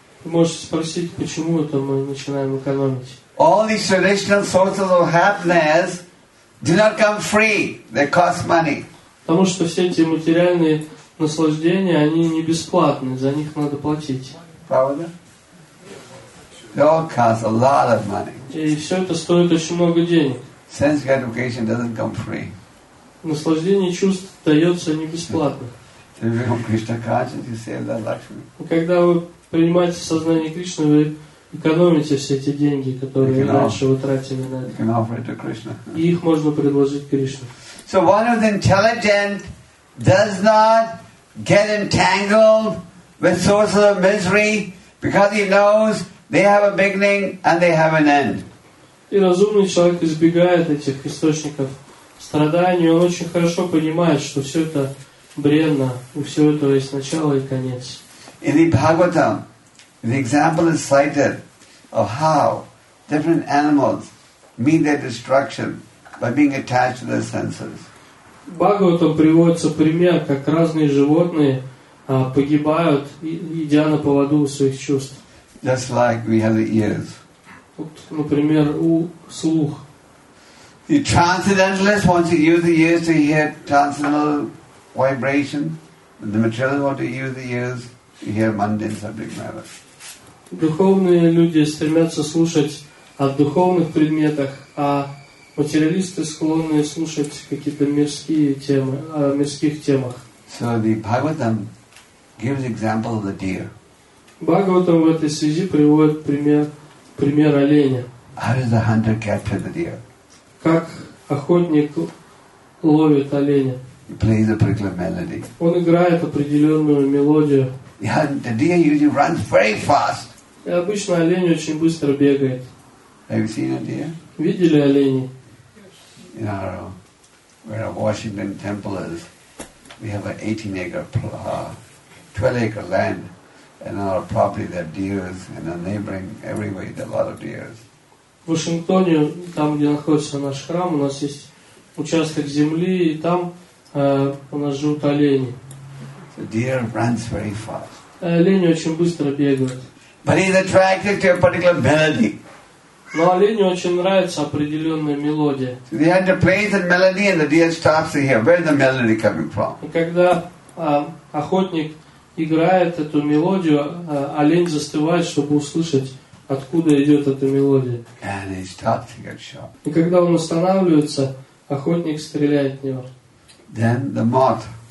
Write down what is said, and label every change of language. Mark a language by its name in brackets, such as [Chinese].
[Russian] Вы можете спросить, почему это мы начинаем экономить? [English] All these traditional sources of happiness do not come free. They cost money. [Russian] Потому что все эти материальные наслаждения, они не бесплатны, за них надо платить. Правда? [English] They all cost a lot of money. [Russian] И все это стоит очень много денег. [English] Sense gratification doesn't come free. [Russian] Наслаждение чувств дается не бесплатно. [English] So you become Krishna conscious, you save that luxury. [Russian] Когда вы принимаете сознание Кришны, вы экономите все эти деньги, которые раньше вы тратили на это. [English] You can offer it to Krishna. [Russian] И их можно предложить Кришне. [English] So one who's intelligent does not get entangled with sources of misery because he knows they have a beginning and they have an end. [Russian] И разумный человек избегает этих источников страданий. Он очень хорошо понимает, что все это бренно, у всего этого есть начало и конец. [English] In the Bhagavatam, the example is cited of how different animals meet their destruction by being attached to their senses. [Russian] В Бхагаватам приводится пример, как разные животные погибают, идя на поводу своих чувств. [English] Just like we have the ears. [Russian] Вот, например, слух. [English] The transcendentalist wants to use the ears to hear transcendental vibration. The materialist wants to use the ears to hear mundane subject matter. [Russian] Духовные люди стремятся слушать о духовных предметах, а материалисты склонны слушать какие-то мирские темы, о мирских темах. [English] So the Bhagavatam gives example of the deer. [Russian] Бхагаватам в этой связи приводит пример оленя. [English] How does the hunter capture the deer? [Russian] Как охотник ловит оленя? [English] He plays a particular melody. [Russian] Он играет определенную мелодию. [English] Yeah, the deer usually runs very fast. [Russian] И обычно олень очень быстро бегает. [English] Have you seen a deer? [Russian] Видели оленей? [English] In our, where our Washington temple is, we have an 18-acre, 12-acre land, and on our property there are deers, and on neighboring, everywhere there are a lot of deers. [Russian] В Вашингтоне, там где находится наш храм, у нас есть участок земли, и там у нас живут олени. [English] The deer runs very fast. [Russian] Олени очень быстро бегают. [English] But he's attracted to a particular melody. [Russian] Но оленю очень нравится определенная мелодия. [English] So the hunter plays a melody and the deer stops to hear. Where is the melody coming from? [Russian] И когда охотник играет эту мелодию, олень застывает, чтобы услышать, откуда идет эта мелодия. [English] And he stops to get shot. [Russian] И когда он останавливается, охотник стреляет в него. [English] Then the moth.